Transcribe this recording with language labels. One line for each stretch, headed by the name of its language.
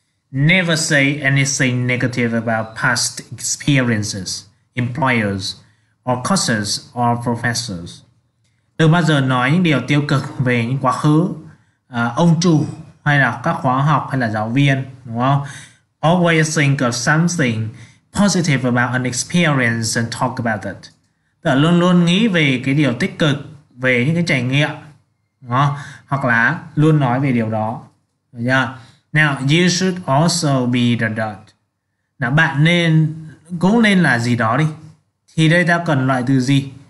English: Never say anything negative about past experiences, employers, or coaches, or professors.
Vietnamese: Đừng bao giờ nói những điều tiêu cực về những quá khứ, ông chủ hay là các khóa học hay là giáo viên, đúng không?
English: Always think of something positive about an experience and talk about it.
Vietnamese: Tức là luôn luôn nghĩ về cái điều tích cực về những cái trải nghiệm, đúng không? Hoặc là luôn nói về điều đó. Được chưa?
English: Now, you should also be the dot.
Vietnamese: Nào, bạn nên, cũng nên là gì đó đi. Thì đây ta cần loại từ gì?